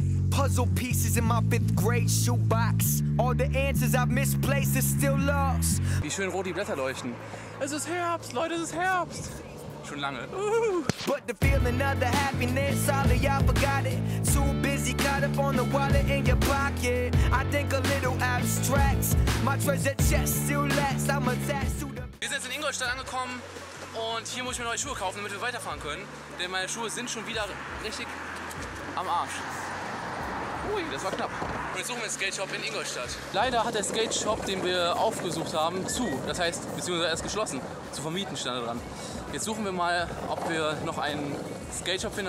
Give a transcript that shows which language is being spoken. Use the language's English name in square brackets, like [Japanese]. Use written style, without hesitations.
[English] Puzzle pieces in my fifth grade shoebox. All the answers I've misplaced is still lost. [German] Wie schön rot die Blätter leuchten. Es ist Herbst, Leute, es ist Herbst. Schon lange. [English] But the feeling of the happiness, all of y'all forgot it. Too busy, caught up on the wallet in your pocket. I think a little abstract. My treasure chest still lacks. I'm attached to the. [German] Wir sind jetzt in Ingolstadt angekommen und hier muss ich mir neue Schuhe kaufen, damit wir weiterfahren können. Denn meine Schuhe sind schon wieder richtig am Arsch. Ui, das war knapp. Wir suchen den Skateshop in Ingolstadt. Leider hat der Skateshop, den wir aufgesucht haben, zu. Das heißt, beziehungsweise erst geschlossen. Zu vermieten stand da dran. Jetzt suchen wir mal, ob wir noch einen Skateshop finden.